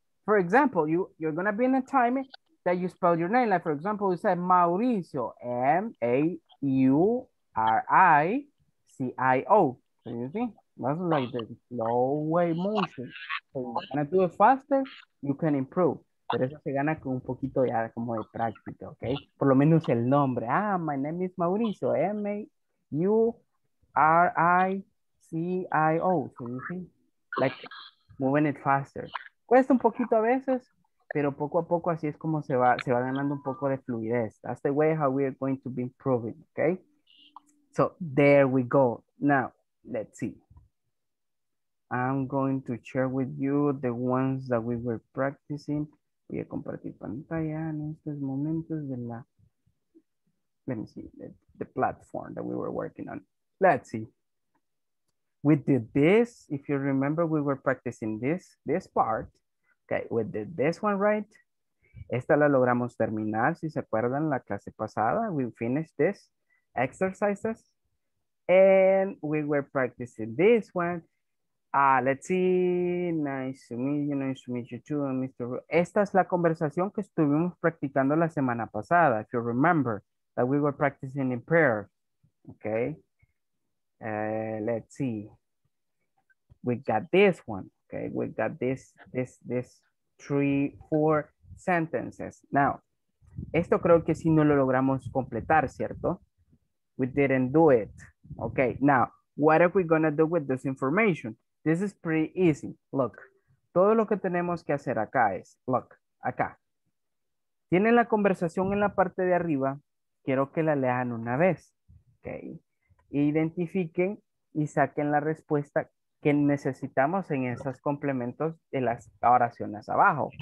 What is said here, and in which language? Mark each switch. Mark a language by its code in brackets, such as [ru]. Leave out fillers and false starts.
[en] For example, you're going to be in a time that you spell your name. Like, for example, you said Mauricio, M-A-U-R-I-C-I-O. So you see, that's like the slow way motion. So if you want to do it faster, you can improve. [es] Pero eso se gana con un poquito ya como de práctica, ¿ok? Por lo menos el nombre. [en] Ah, my name is Mauricio, M-A-U-R-I-C-I-O. So you see, like moving it faster. [es] Cuesta un poquito a veces, pero poco a poco así es como se va ganando un poco de fluidez. [en] That's the way how we are going to be improving, okay? So, there we go. Now, let's see. I'm going to share with you the ones that we were practicing. [es] Voy a compartir pantalla en estos momentos de la... [en] Let me see, the platform that we were working on. Let's see. We did this, if you remember, we were practicing this part. Okay, we did this one, right? [es] Esta la logramos terminar, si se acuerdan, la clase pasada. [en] We finished this exercises. And we were practicing this one. Let's see, nice to meet you too, Mr. [es] Ru. Esta es la conversación que estuvimos practicando la semana pasada, [en] if you remember, that we were practicing in prayer. [es] Okay. [en] Let's see. We got this one. Okay, we got this 3-4 sentences. [es] Now, esto creo que sí no lo logramos completar, ¿cierto? [en] We didn't do it. Okay, now, what are we gonna do with this information? This is pretty easy. [es] Look, todo lo que tenemos que hacer acá es, look, acá. Tienen la conversación en la parte de arriba. Quiero que la lean una vez. Okay. Identifiquen y saquen la respuesta que necesitamos en esos complementos de las oraciones abajo.